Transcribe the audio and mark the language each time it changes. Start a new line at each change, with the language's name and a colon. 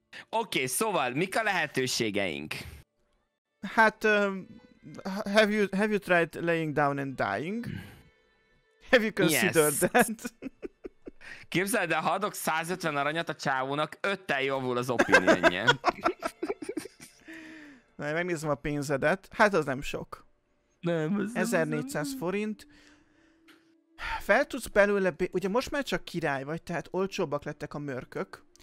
Hungarian: Okay, szóval, mik a lehetőségeink?
English: Hát, have you tried laying down and dying? Have you considered that?
Hungarian: Képzeld el, ha adok 150 aranyat a csávónak, 5-tel javul az opinionje. Na, megnézem a pénzedet. Hát az nem sok. Nem, az 1400 nem. Forint. Fel tudsz belőle, ugye most már csak király vagy, tehát olcsóbbak lettek a mörkök.